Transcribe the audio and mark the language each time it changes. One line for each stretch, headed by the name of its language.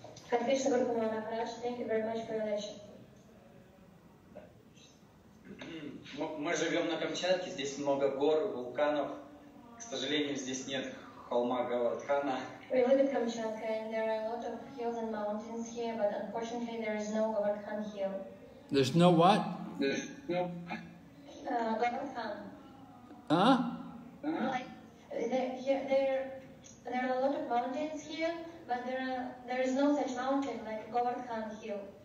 English: Hare Krishna, Guru Maharaj, thank you very much for your lecture.
Russian: Мы живем на Камчатке, здесь много гор, вулканов. К сожалению, здесь нет холма Говардхана.
English: We live in Kamchatka and there are a lot of hills and mountains here, but unfortunately there is no Govardhan hill. There's no what? There's no... Govardhan. Huh? Huh? There are a lot of mountains here, but there is no such mountain like Govardhan hill.